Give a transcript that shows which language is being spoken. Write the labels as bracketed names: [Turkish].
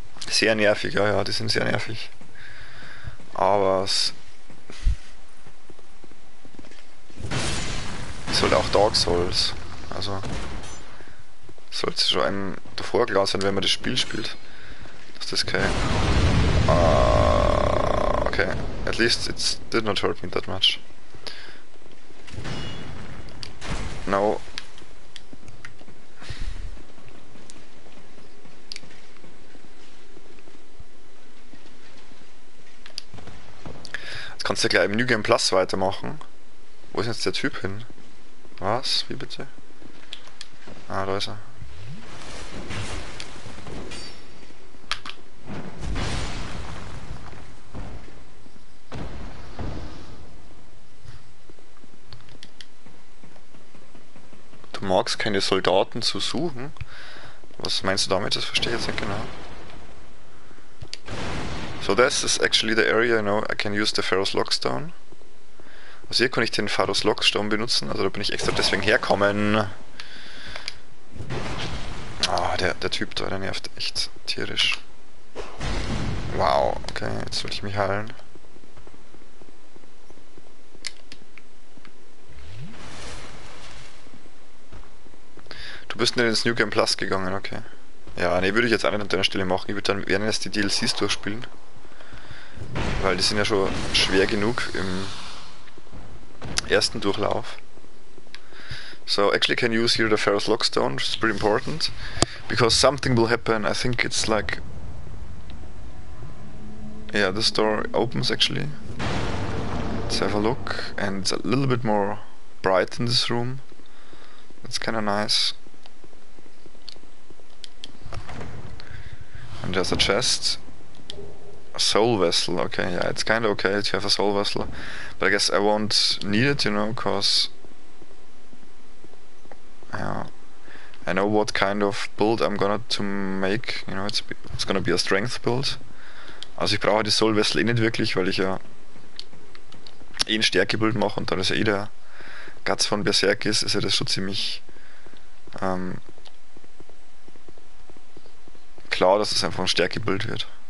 [German] Sehr nervig, ja, die sind sehr nervig. Aber es ist halt auch Dark Souls. Also sollte es schon einem davor klar sein, wenn man das Spiel spielt. Das ist okay. [English] Okay, at least it did not hurt me that much. Now. [German] Kannst du gleich im New Game Plus weitermachen? Wo ist jetzt der Typ hin? Was? Wie bitte? Ah, da ist er. Du magst keine Soldaten zu suchen? Was meinst du damit? Das verstehe ich jetzt nicht genau. [English] So, this is actually the area, you know, I can use the Pharaoh's Lockstone. [German] Also hier kann ich den Pharaoh's Lockstone benutzen, also da bin ich extra deswegen herkommen. Ah, der Typ da, der nervt echt tierisch. Wow, okay, jetzt will ich mich heilen. Du bist nicht ins New Game Plus gegangen, okay. Ja, nee, würde ich jetzt auch nicht an deiner Stelle machen, ich würde dann während erst die DLCs durchspielen. Weil die sind ja schon schwer genug im ersten Durchlauf. [English] So, actually can use here the Pharaoh's Lockstone, which is pretty important. Because something will happen, I think it's like... Yeah, this door opens actually. Let's have a look. And it's a little bit more bright in this room. That's kinda nice. And there's a chest. A soul vessel, okay, yeah, it's kinda okay to have a soul vessel, but I guess I won't need it, you know, cause I know what kind of build I'm gonna to make, you know, it's gonna be a strength build. [German] Also ich brauche die soul vessel eh nicht wirklich, weil ich ja eh ein Stärke-Build mache und dann ist ja eh der Guts von Berserk ist ja das schon ziemlich klar, dass das einfach ein Stärke-Build wird.